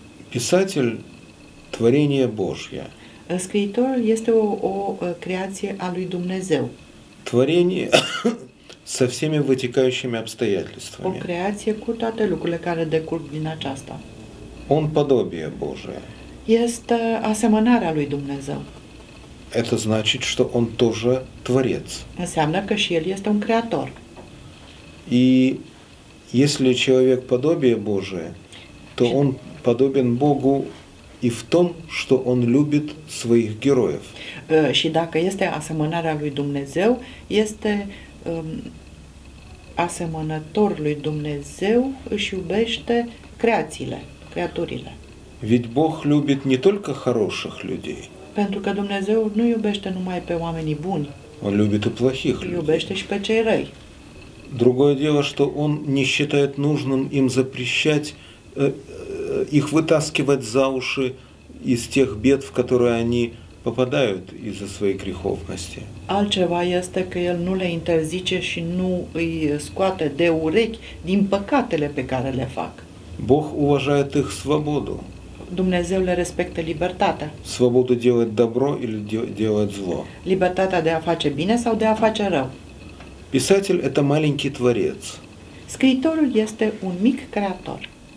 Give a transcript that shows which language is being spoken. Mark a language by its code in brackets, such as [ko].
[ru] Писатель – творение Божье. [ro] Scriitorul este o creație a lui Dumnezeu. [ru] Творение со всеми вытекающими обстоятельствами. [ro] O creație cu toate lucrurile care decurg din aceasta. [ru] Он – подобие Божие. [ro] Este asemănarea lui Dumnezeu. [ru] Это значит, что он тоже творец. [ro] Înseamnă că și el este un creator. [ru] И если человек – подобие Божие, то он подобен Богу и в том, что он любит своих героев. [ro] Și dacă este asemănarea lui Dumnezeu, este asemănător lui Dumnezeu, își iubește creațiile, creaturile. [ru] Ведь Бог любит не только хороших людей. [ro] Pentru că Dumnezeu nu iubește numai pe oamenii buni. [ru] Он любит и плохих людей. [ro] Iubește și pe cei răi. [ru] Другое дело, что он не считает нужным им запрещать их вытаскивать за уши из тех бед, в которые они попадают из-за своей греховности. [ro] Altceva este că el nu le interzice și nu îi scoate de urechi din păcatele pe care le fac. [ru] Бог уважает их свободу. [ro] Dumnezeu le respectă libertatea. [ru] Свободу делать добро или делать зло. [ro] Libertatea de a face bine sau de a face rău. [ru] Писатель – это маленький творец. [ro] Scriitorul este un mic creator.